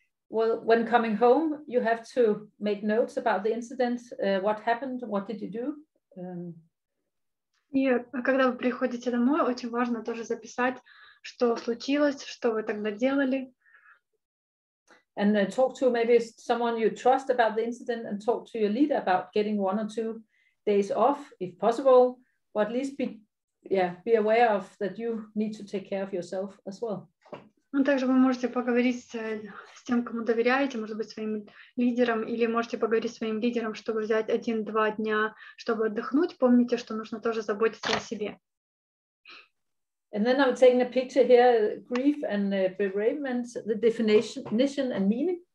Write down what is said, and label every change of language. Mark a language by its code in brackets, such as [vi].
[en] Well, when coming home, you have to make notes about the incident, what happened, what did you do? [ru] И когда вы приходите домой, очень важно тоже записать, что случилось, что вы тогда делали. [en] And talk to maybe someone you trust about the incident and talk to your leader about getting 1 or 2 days off, if possible, but at least be aware of that you need to take care of yourself as well. [ru] Ну, также вы можете поговорить с тем, кому доверяете, может быть, своим лидером, или можете поговорить с своим лидером, чтобы взять 1-2 дня, чтобы отдохнуть. Помните, что нужно тоже заботиться о себе. [en] And then I'm taking a picture here, grief and bereavement, the definition and meaning.